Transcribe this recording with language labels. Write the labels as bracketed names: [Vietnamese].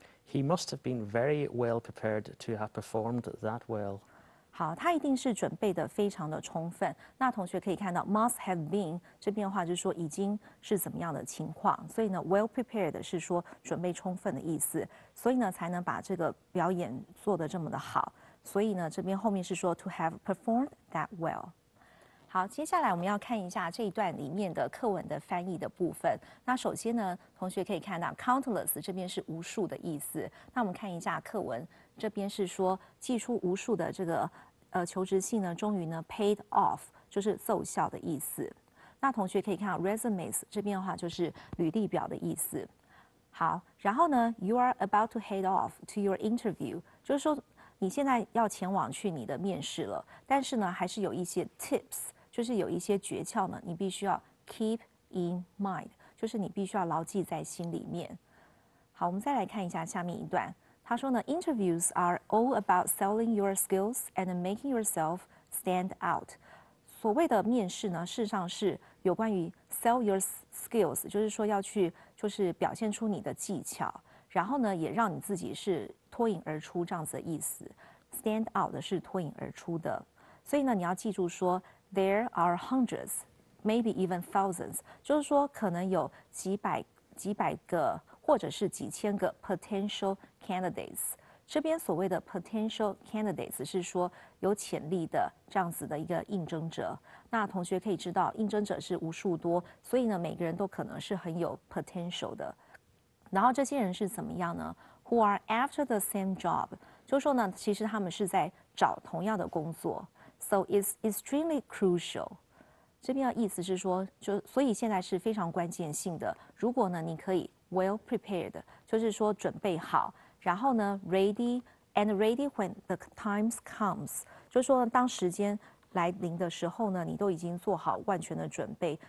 [English] He must have been very well prepared to have performed that well. [Chinese] 好，他一定是准备的非常的充分。那同学可以看到 [English] must have been [Chinese] 这边的话，就是说已经是怎么样的情况。所以呢 ，well prepared 是说准备充分的意思。所以呢，才能把这个表演做得这么的好。所以呢，这边后面是说 [English] to have performed that well。 [Chinese] 好，接下来我们要看一下这一段里面的课文的翻译的部分。那首先呢，同学可以看到 countless 这边是无数的意思。那我们看一下课文，这边是说寄出无数的这个求职信呢，终于呢 [English] paid off， [Chinese] 就是奏效的意思。那同学可以看到 resumes 这边的话就是履历表的意思。好，然后呢 ， [English] you are about to head off to your interview， [Chinese] 就是说。你现在要前往去你的面试了，但是呢，还是有一些 tips， 就是有一些诀窍呢，你必须要 [English] keep in mind， [Chinese] 就是你必须要牢记在心里面。好，我们再来看一下下面一段，他说呢 ， [English] interviews are all about selling your skills and making yourself stand out。 [Chinese] 所谓的面试呢，事实上是有关于 [English] sell your skills， [Chinese] 就是说要去就是表现出你的技巧，然后呢，也让你自己是。脱颖而出这样子的意思 ，stand out 的是脱颖而出的，所以呢，你要记住说 ， [English] there are hundreds, maybe even thousands， [Chinese] 就是说可能有几百个或者是几千个 [English] potential candidates。 [Chinese] 这边所谓的 [English] potential candidates [Chinese] 是说有潜力的这样子的一个应征者。那同学可以知道，应征者是无数多，所以呢，每个人都可能是很有 potential 的。然后这些人是怎么样呢？ [English] Who are after the same job? [Chinese] 就是说呢，其实他们是在找同样的工作。 [English] So it's extremely crucial. [Chinese] 这边的意思是说，就所以现在是非常关键性的。如果呢，你可以 [English] well prepared， [Chinese] 就是说准备好，然后呢 [English] ready and ready when the time comes， [Chinese] 就是说当时间来临的时候呢，你都已经做好万全的准备。